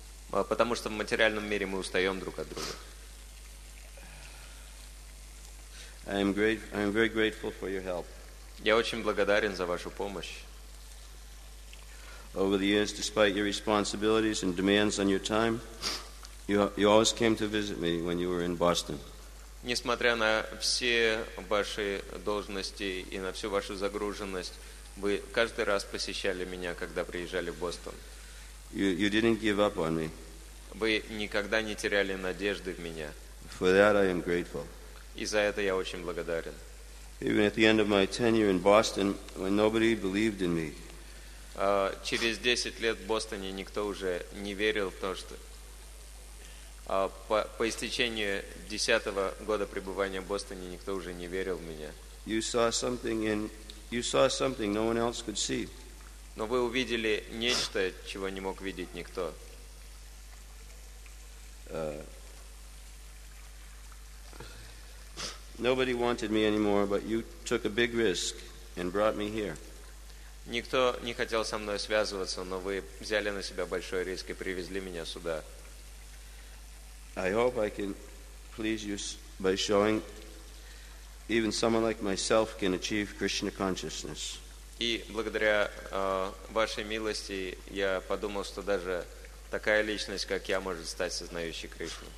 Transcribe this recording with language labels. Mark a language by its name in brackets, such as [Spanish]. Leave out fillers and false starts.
[Russian] Потому что в материальном мире мы устаем друг от друга. [English] I am very grateful for your help. [Russian] Я очень благодарен за вашу помощь. [English] Over the years, despite your responsibilities and demands on your time, you always came to visit me when you were in Boston. [Russian] Несмотря на все ваши должности и на всю вашу загруженность, вы каждый раз посещали меня, когда приезжали в Бостон. [English] You didn't give up on me. [Russian] Вы никогда не теряли надежды в меня. [English] For that I am grateful. [Russian] И за это я очень благодарен. [English] Even at the end of my tenure in Boston, when nobody believed in me. [Russian] Через 10 лет в Бостоне никто уже не верил в то, что... По истечению 10-го года пребывания в Бостоне никто уже не верил в меня. [English] You saw something no one else could see. [Russian] Но вы увидели нечто, чего не мог видеть никто. [English] Nobody wanted me anymore, but you took a big risk and brought me here. [Russian] Никто не хотел со мной связываться, но вы взяли на себя большой риск и привезли меня сюда. [English] I hope I can please you by showing even someone like myself can achieve Krishna consciousness. [Russian] И благодаря вашей милости я подумал, что даже такая личность, как я, может стать сознающей Кришну.